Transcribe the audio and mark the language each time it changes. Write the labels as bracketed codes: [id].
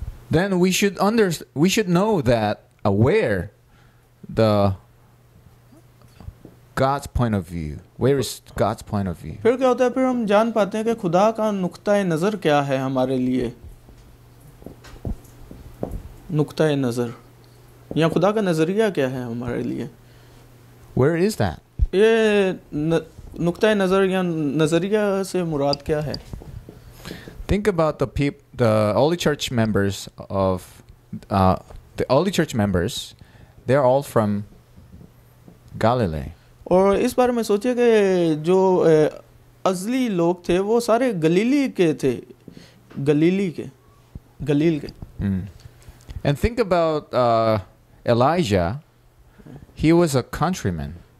[en] Then we should know that aware the God's point of view. Where is God's point of view? [hi] फिर क्या होता है, फिर हम जान पाते हैं कि खुदा का नुक्ता नजर क्या है हमारे लिए, नुक्ता नजर या खुदा का नजरिया क्या है हमारे लिए. [en] Where is that? [hi] ये नुक्ता नजर या नजरिया से मुराद क्या है? [en] Think about the early church members of the early church members. They're all from Galilee. [hi] और इस बारे में सोचिए कि जो असली लोग थे वो सारे गलीली के थे, गलीली के, गलील के. [en] And think about Elijah, he was a countryman.